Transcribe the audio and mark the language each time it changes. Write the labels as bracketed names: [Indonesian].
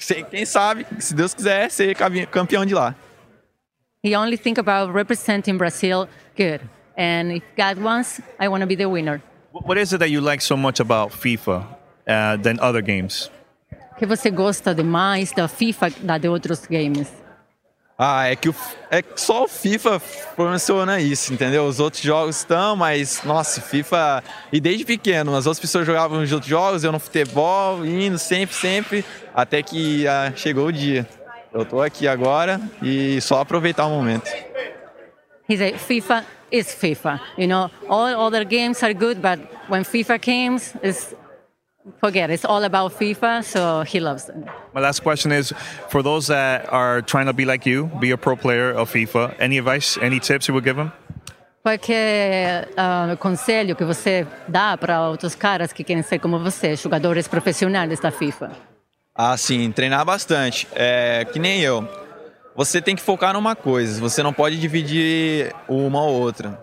[Portuguese] Quem sabe, se Deus quiser, ser campeão de lá. [English] He only think about representing Brazil good. And if God wants, I want to be the winner. What is it that you like so much about FIFA than other games? [Portuguese] Que você gosta demais da FIFA da de outros games? Ah, é que o, é que só o FIFA funciona isso, entendeu? Os outros jogos estão, mas, nossa, FIFA... E desde pequeno, as outras pessoas jogavam os outros jogos, eu no futebol, indo sempre, sempre, até que chegou o dia. Eu tô aqui agora e só aproveitar o momento. [English] He said, FIFA is FIFA. You know, all other games are good, but when FIFA comes, it's... Forget, it's all about FIFA, so he loves it. My last question is, for those that are trying to be like you, be a pro player of FIFA, any advice, any tips you would give them? [Portuguese] Qualquer conselho que você dá para outros caras que querem ser como você, jogadores profissionais da FIFA? Ah, sim, treinar bastante. É, que nem eu. Você tem que focar numa coisa, você não pode dividir uma ou outra.